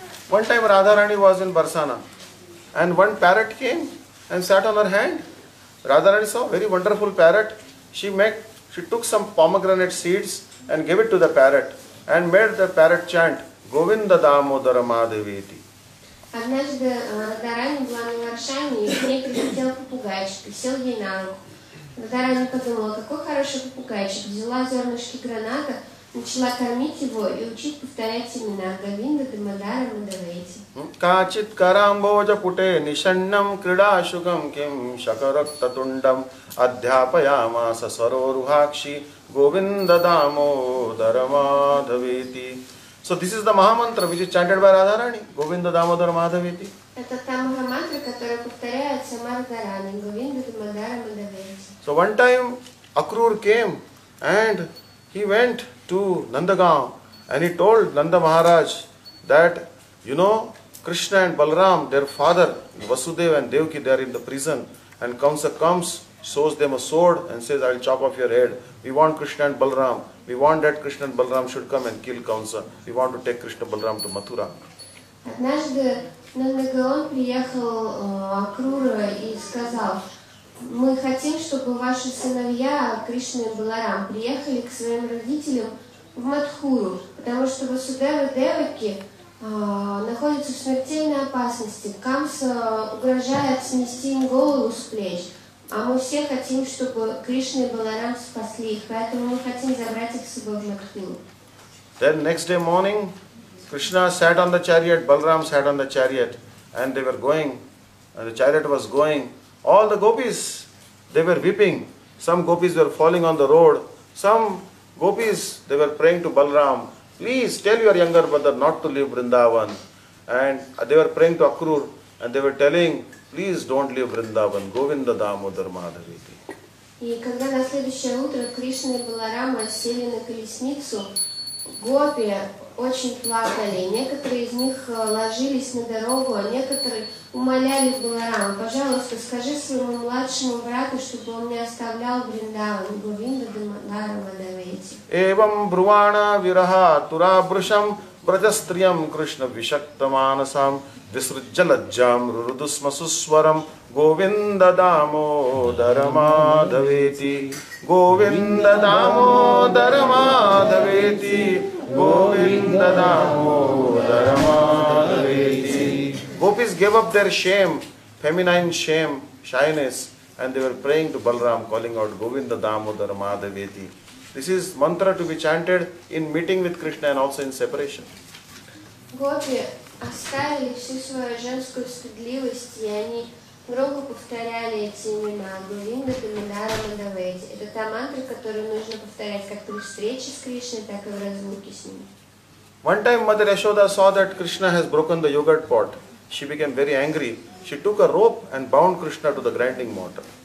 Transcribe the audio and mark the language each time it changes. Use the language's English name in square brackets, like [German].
[English] One time Radharani was in Barsana and one parrot came and sat on her hand. Radharani saw a very wonderful parrot. She took some pomegranate seeds and gave it to the parrot and made the parrot chant Govinda Damodara Madhaveti. [Russian] Однажды Радарани была на Варшане и к ней прилетел попугайчик и сел ей на руку. Радарани подумала, какой хороший попугайчик, взяла зернышки граната, начала кормить его и учить повторять имена Говинда, Дамодара, Мадхавейти. [Sanskrit] Качит карамбоджа путе нишаннам кридашугам ким шакаракта тундам адхяпаяма сасаро рухакши Говинда Дамо Дара Мадхавейти. [English] So this is the Mahamantra which is chanted by Radharani, Govinda Damodara Madhaveti. [Russian] Это та Махамантра, которая повторяется Мардарани, Говинда Дамодара Мадхавети. [English] So one time Akrur came and he went to Nandagaon and he told Nanda Maharaj that, you know, Krishna and Balaram, their father, Vasudev and Devaki, they are in the prison. And Kamsa comes, shows them a sword and says, I'll chop off your head. We want Krishna and Balaram. We want that Krishna and Balaram should come and kill Kamsa. We want to take Krishna Balaram to Mathura. [Russian] Однажды на Нагаон приехал Акрура и сказал, мы хотим, чтобы ваши сыновья, Кришна и Баларам, приехали к своим родителям в Матхуру, потому что Васудева Деваки находятся в смертельной опасности. Камса угрожает снести им голову с плеч, а мы все хотим, чтобы Кришна и Баларам спасли их, поэтому мы хотим забрать их с собой в Матхуру. [English] Then next day morning, Krishna sat on the chariot, Balaram sat on the chariot, and they were going, and the chariot was going. All the gopis, they were weeping. Some gopis were falling on the road. Some gopis, they were praying to Balaram, please tell your younger brother not to leave Vrindavan. And they were praying to Akrur, and they were telling, please don't leave Vrindavan, Govinda Damodara Madhaveti. [Russian] И когда на следующее утро Кришна и Баларам сели на колесницу, гопи очень плакали. Некоторые из них ложились на дорогу, а некоторые умоляли Баларама, пожалуйста, скажи своему младшему брату, чтобы он не оставлял Вриндаван. [Sanskrit] Говинда Дамодара Мадхавети. Эвам Бруана Вираха Тура Брушам Браджастриям Кришна Вишактаманасам Висруджаладжам Рурудусмасусварам Говинда Дамодара Мадхавети. Говинда Дамодара Мадхавети. Govinda Damodara Madhaveti. [English] Gopis gave up their shame, feminine shame, shyness, and they were praying to Balaram, calling out Govinda Damodara Madhaveti. This is mantra to be chanted in meeting with Krishna and also in separation. [Russian] Gopi оставили всю свою женскую стыдливость, и они громко повторяли эти имена Говинда Дамодара Мадхавети. Это та мантра, которую нужно повторять как при встрече с Кришной, так и в разлуке с ним. [English] One time Mother Yashoda saw that Krishna has broken the yogurt pot. She became very angry. She took a rope and bound Krishna to the grinding mortar.